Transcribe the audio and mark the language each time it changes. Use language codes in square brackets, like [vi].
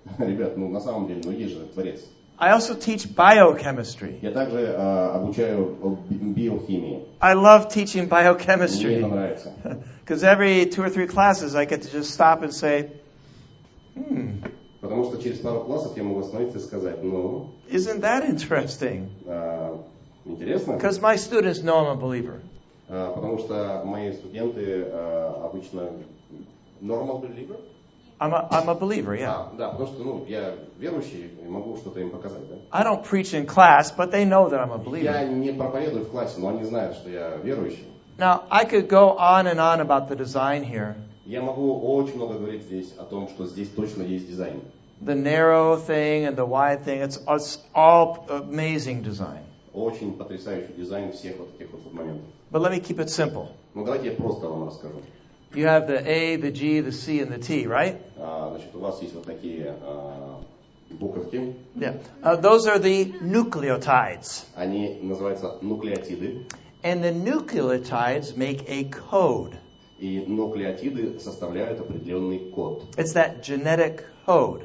[ru] Ребят, ну на самом деле, ну есть же творец. [en] I also teach biochemistry. [ru] Я также обучаю биохимии. [en] I love teaching biochemistry. [ru] Мне нравится. [en] Because every two or three classes I get to just stop and say, [ru] Потому что через пару классов я могу остановиться и сказать, ну... [en] Isn't that interesting? [ru] Интересно. [en] Because my students know I'm a believer. [ru] Потому что мои студенты обычно... [en] Normal believer? I'm a believer, yeah. [ru] Да, потому что, ну, я верующий и могу что-то им показать, да? [en] I don't preach in class, but they know that I'm a believer. [ru] Я не проповедую в классе, но они знают, что я верующий. [en] Now, I could go on and on about the design here. [ru] Я могу очень много говорить здесь о том, что здесь точно есть дизайн. [en] The narrow thing and the wide thing, it's all amazing design. [ru] Очень потрясающий дизайн всех вот этих вот моментов. [en] But let me keep it simple. [ru] Ну, давайте я просто вам расскажу. [en] You have the A, the G, the C, and the T, right? [ru] Значит, у вас есть вот такие буковки. [en] Yeah. Those are the nucleotides. [ru] Они называются нуклеотиды. [en] And the nucleotides make a code. [ru] И нуклеотиды составляют определенный код. [en] It's that genetic code.